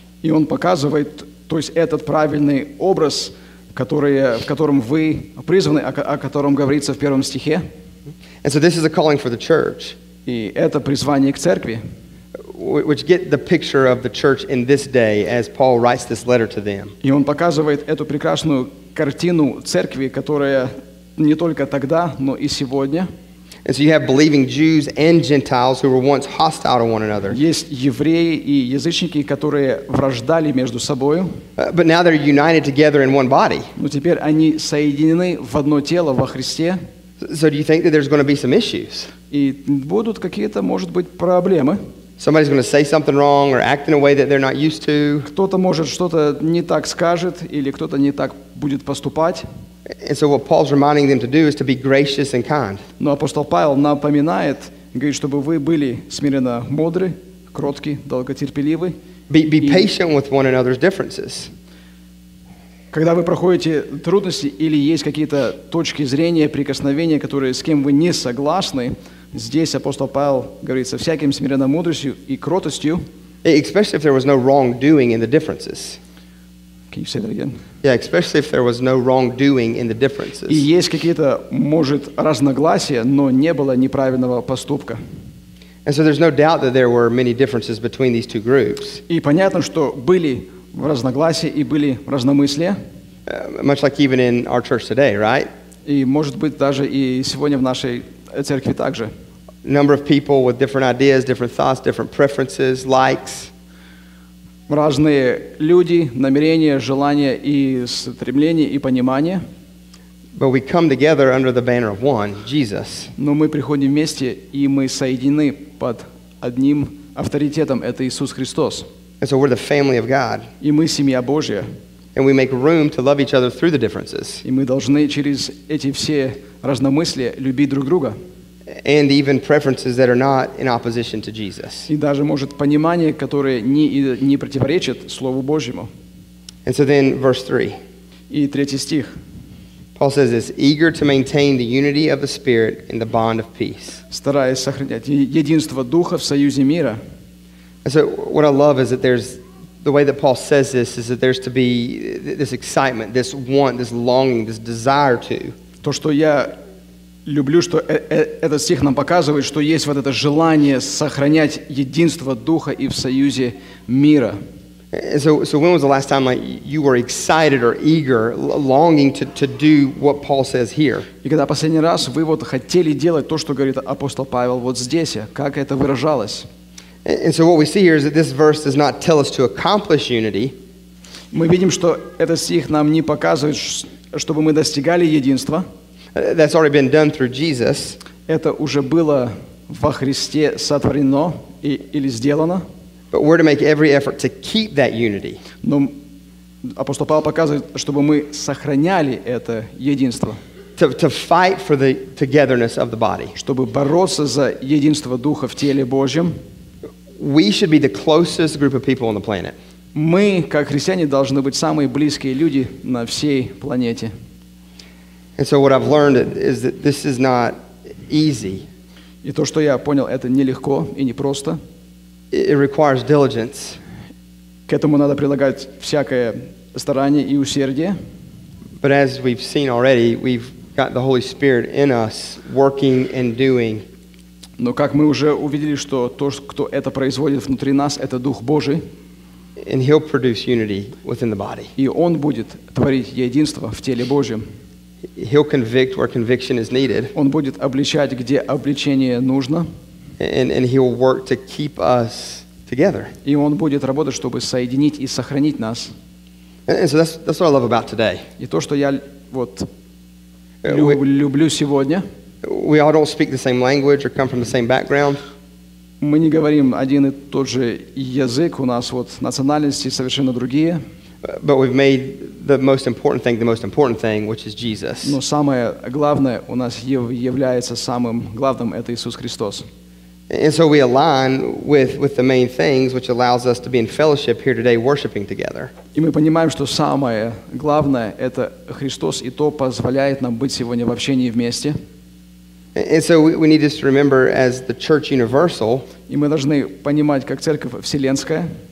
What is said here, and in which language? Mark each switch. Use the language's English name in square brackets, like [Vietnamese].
[Russian] И он показывает, то есть этот правильный образ, в котором вы призваны, о котором говорится в первом стихе. [English] And so this is a calling for the church. [Russian] И это призвание к церкви. [English] Which get the picture of the church in this day as Paul writes this letter to them. [Russian] И он показывает эту прекрасную картину церкви, которая не только тогда, но и сегодня. [English] And so you have believing Jews and Gentiles who were once hostile to one another. [Russian] Есть евреи и язычники, которые враждали между собой. [English] But now they're united together in one body. [Russian] Но теперь они соединены в одно тело во Христе. [English] So do you think that there's going to be some issues? [Russian] И будут какие-то, может быть, проблемы? [English] Somebody's going to say something wrong or act in a way that they're not used to. [Russian] Кто-то может что-то не так скажет или кто-то не так будет поступать. [English] And so what Paul's reminding them to do is to be gracious and kind. [Russian] Но апостол Павел напоминает, говорит, чтобы вы были смиренно мудры, кротки, долготерпеливы. [English] Be patient with one another's differences. [Russian] Когда вы проходите трудности или есть какие-то точки зрения, прикосновения, которые с кем вы не согласны, здесь апостол Павел говорит со всяким смиренно мудростью и кротостью. [English] Especially if there was no wrongdoing in the differences. Can you say that again? Yeah, especially if there was no wrongdoing in the differences. [Russian] И есть какие-то, может, разногласия, но не было неправильного поступка. [English] And so there's no doubt that there were many differences between these two groups. [Russian] И понятно, что были разногласия и были разномыслия. [English] Much like even in our church today, right? [Russian] И может быть даже и сегодня в нашей церкви также. [English] Number of people with different ideas, different thoughts, different preferences, likes. [Russian] Разные люди, намерения, желания и стремления и понимания. [English] But we come together under the banner of one, Jesus. [Russian] Но мы приходим вместе и мы соединены под одним авторитетом, это Иисус Христос. [English] And so we're the family of God. [Russian] И мы семья Божья. [English] And we make room to love each other through the differences. [Russian] И мы должны через эти все разномыслия любить друг друга. [English] And even preferences that are not in opposition to Jesus. [Russian] И даже может понимание, которое не противоречит Слову Божьему. [English] And so then verse 3. [Russian] И третий стих. [English] Paul says this, eager to maintain the unity of the Spirit in the bond of peace. [Russian] Стараясь сохранять единство Духа в союзе мира. [English] And so what I love is that there's the way that Paul says this is that there's to be this excitement, this want, this longing, this desire to. [Russian] То, что я люблю, что этот стих нам показывает, что есть вот это желание сохранять единство Духа и в союзе мира. [English] So when was the last time like you were excited or eager, longing to do what Paul says here? [Russian] И когда последний раз вы вот хотели делать то, что говорит апостол Павел вот здесь, как это выражалось? [English] And so what we see here is that this verse does not tell us to accomplish unity. [Russian] Мы видим, что этот стих нам не показывает, чтобы мы достигали единства. [English] That's already been done through Jesus. [Russian] Это уже было во Христе сотворено или сделано. [English] But we're to make every effort to keep that unity. [Russian] Но апостол Павел показывает, чтобы мы сохраняли это единство. [English] To fight for the togetherness of the body. [Russian] Чтобы бороться за единство Духа в теле Божьем. [English] We should be the closest group of people on the planet. [Russian] Мы, как христиане, должны быть самые близкие люди на всей планете. [English] And so what I've learned is that this is not easy. [Russian] И то, что я понял, это нелегко и непросто. [English] It requires diligence. [Russian] К этому надо прилагать всякое старание и усердие. [English] But as we've seen already, we've got the Holy Spirit in us working and doing. [Russian] Но как мы уже увидели, что то, кто это производит внутри нас, это Дух Божий. [English] And he'll produce unity within the body. [Russian] И он будет творить единство в теле Божьем. [English] He'll convict where conviction is needed. [Russian] Он будет обличать, где обличение нужно. [English] And he'll work to keep us together. [Russian] И он будет работать, чтобы соединить и сохранить нас. [English] And so that's what I love about today. [Russian] И то, что я вот люблю сегодня. [English] We all don't speak the same language or come from the same background. [Russian] Мы не говорим один и тот же язык. У нас вот национальности совершенно другие. [English] But we've made the most important thing the most important thing, which is Jesus. [Russian] Но самое главное у нас является самым главным, это Иисус Христос. [English] And so we align with the main things, which allows us to be in fellowship here today, worshiping together. [Russian] И мы понимаем, что самое главное это Христос, и то позволяет нам быть сегодня в общении вместе. [English] And so we need to remember as the church universal. [Russian] И мы должны понимать, как церковь вселенская.